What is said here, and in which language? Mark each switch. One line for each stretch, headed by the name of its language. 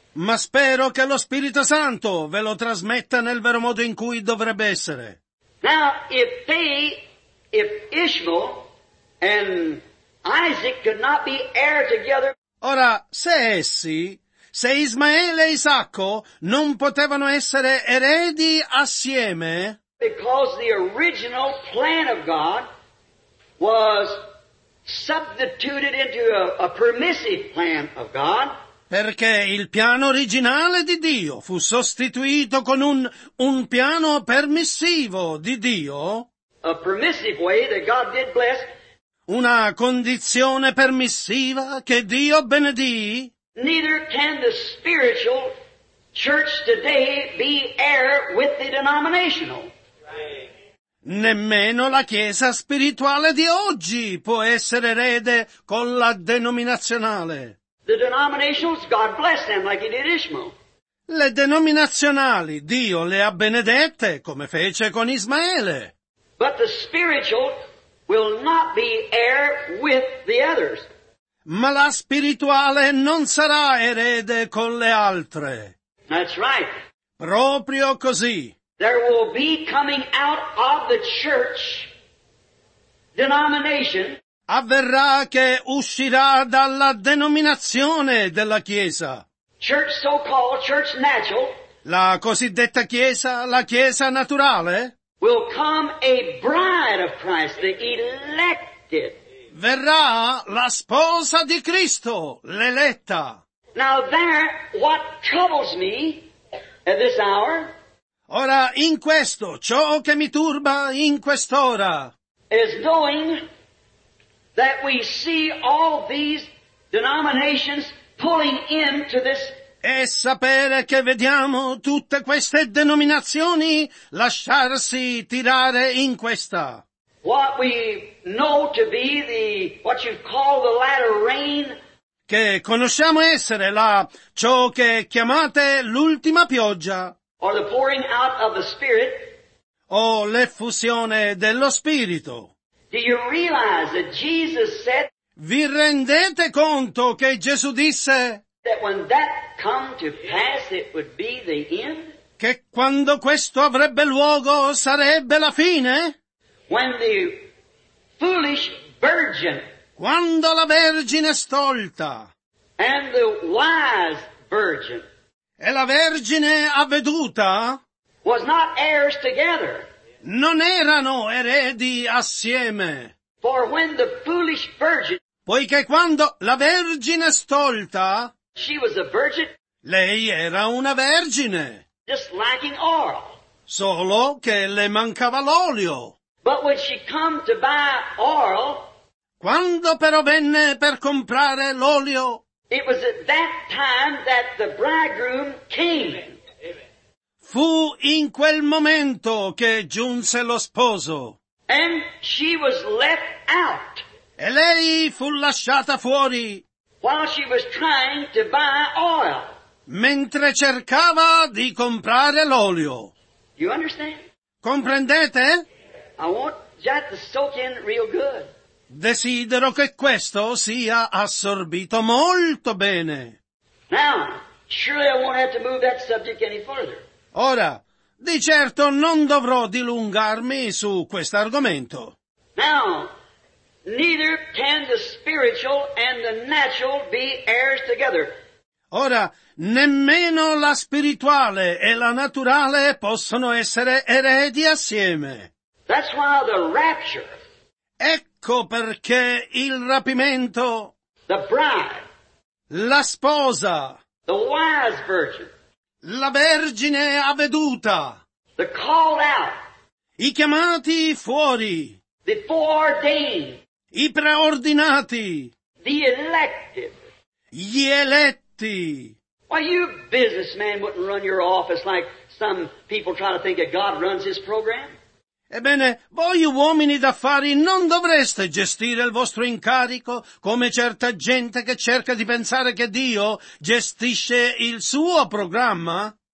Italian: Ma spero che lo Spirito Santo ve lo trasmetta nel vero modo in cui dovrebbe essere.
English: Now, if Ishmael and Isaac could not be heir together.
Italian: Ora, se Ismaele e Isacco non potevano essere eredi assieme.
English: Because the original plan of God was substituted into a permissive plan of God.
Italian: Perché il piano originale di Dio fu sostituito con un piano permissivo di Dio.
English: A permissive way that God did bless.
Italian: Una condizione permissiva che Dio benedì.
English: Neither can the spiritual church today be heir with the denominational.
Italian: Nemmeno la chiesa spirituale di oggi può essere erede con la denominazionale.
English: The denominations, God bless them like he did Ishmael.
Italian: Le denominazionali, Dio le ha benedette, come fece con Ismaele.
English: But the spiritual will not be heir with the others.
Italian: Ma la spirituale non sarà erede con le altre.
English: That's right.
Italian: Proprio così.
English: There will be coming out of the church denomination.
Italian: Avverrà che uscirà dalla denominazione della Chiesa.
English: Church so-called, church natural.
Italian: La cosiddetta Chiesa, la Chiesa naturale.
English: will come a bride of Christ, the elected.
Italian: Verrà la sposa di Cristo, l'eletta.
English: Now there, what troubles me at this hour?
Italian: Ora, in questo, ciò che mi turba in quest'ora.
English: Is knowing that we see all these denominations pulling into this.
Italian: E sapere che vediamo tutte queste denominazioni lasciarsi tirare in questa.
English: What we know to be the, what you call the latter rain.
Italian: Che conosciamo essere la, ciò che chiamate l'ultima pioggia.
English: Or the pouring out of the Spirit.
Italian: O l'effusione dello Spirito.
English: Do you realize that Jesus said?
Italian: Vi rendete conto che Gesù disse?
English: That when that come to pass, it would be the end?
Italian: Che quando questo avrebbe luogo sarebbe la fine?
English: When the foolish virgin.
Italian: Quando la vergine stolta.
English: And the wise virgin.
Italian: E la vergine avveduta.
English: Was not heirs together.
Italian: Non erano eredi assieme.
English: For when the foolish virgin.
Italian: Poiché quando la vergine stolta.
English: She was a virgin.
Italian: Lei era una vergine.
English: Just lacking oil.
Italian: Solo che le mancava l'olio.
English: But when she come to buy oil.
Italian: Quando però venne per comprare l'olio.
English: It was at that time that the bridegroom came.
Italian: Fu in quel momento che giunse lo sposo.
English: And she was left out.
Italian: E lei fu lasciata fuori.
English: While she was trying to buy oil.
Italian: Mentre cercava di comprare l'olio.
English: You understand?
Italian: Comprendete?
English: I want that to soak in real good.
Italian: Desidero che questo sia assorbito molto bene.
English: Now, surely I won't have to move that subject any further.
Italian: Ora, di certo non dovrò dilungarmi su questo argomento.
English: Now, neither can the spiritual and the natural be heirs together.
Italian: Ora, nemmeno la spirituale e la naturale possono essere eredi assieme.
English: That's why the rapture.
Italian: Ecco perché il rapimento.
English: The bride.
Italian: La sposa.
English: The wise virgin.
Italian: La vergine avveduta.
English: The called out.
Italian: I chiamati fuori.
English: The foreordained.
Italian: I preordinati.
English: The elected.
Italian: Gli eletti.
English: Why, you businessman wouldn't run your office like some people try to think that God runs his program.
Italian: Ebbene, voi uomini d'affari non dovreste gestire il vostro incarico come certa gente che cerca di pensare che Dio gestisce il suo programma?